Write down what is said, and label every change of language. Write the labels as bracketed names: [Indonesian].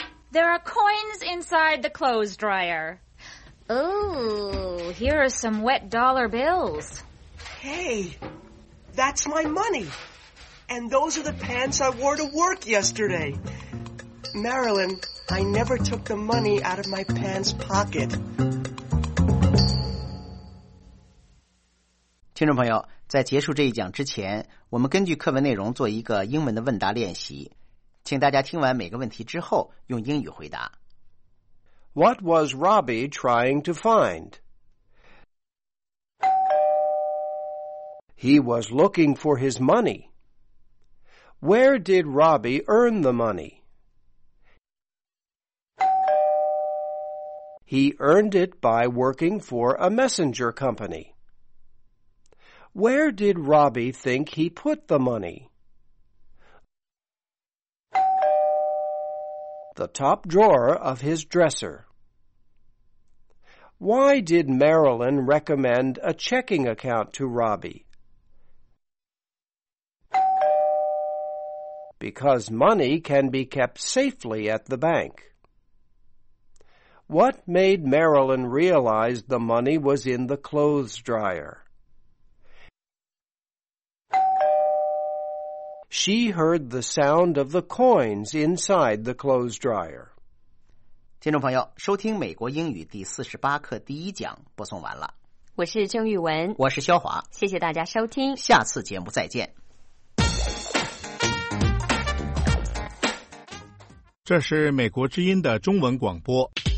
[English] There are coins inside the clothes dryer. Oh, here are some wet dollar bills. Hey, that's my money. And those are the pants I wore to work yesterday. Marilyn, I never took the money out of my pants pocket. [Chinese] 听众朋友，在结束这一讲之前，我们根据课文内容做一个英文的问答练习，请大家听完每个问题之后用英语回答。 [English] What was Robbie trying to find? He was looking for his money. Where did Robbie earn the money? He earned it by working for a messenger company. Where did Robbie think he put the money? The top drawer of his dresser. Why did Marilyn recommend a checking account to Robbie? Because money can be kept safely at the bank. What made Marilyn realize the money was in the clothes dryer? She heard the sound of the coins inside the clothes dryer. [Chinese] 听众朋友，收听美国英语第48课第一讲播送完了。我是郑玉文。我是肖华。谢谢大家收听。下次节目再见。这是美国之音的中文广播。